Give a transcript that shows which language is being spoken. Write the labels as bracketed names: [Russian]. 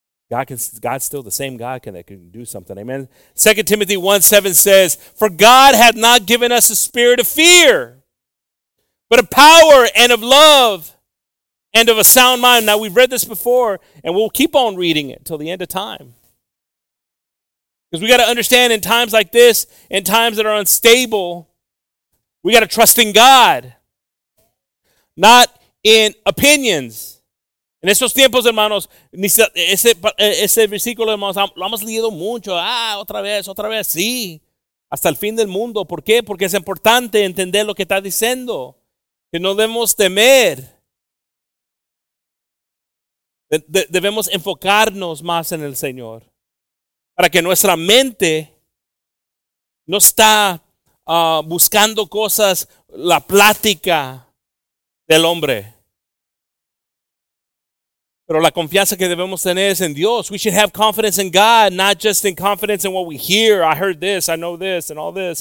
[English] God's still the same God that can do something. Amen. 2 Timothy 1:7 says, for God hath not given us a spirit of fear, but of power and of love and of a sound mind. Now, we've read this before, and we'll keep on reading it till the end of time. Because we got to understand, in times like this, in times that are unstable, we got to trust in God, not in opinions. [Spanish] En esos tiempos, hermanos, ese versículo, hermanos, lo hemos leído mucho. Otra vez, sí. Hasta el fin del mundo. ¿Por qué? Porque es importante entender lo que está diciendo. Que no debemos temer. Debemos enfocarnos más en el Señor para que nuestra mente no está buscando cosas, la plática del hombre. Pero la confianza que debemos tener es en Dios. [English] We should have confidence in God, not just in confidence in what we hear. I heard this, I know this, and all this.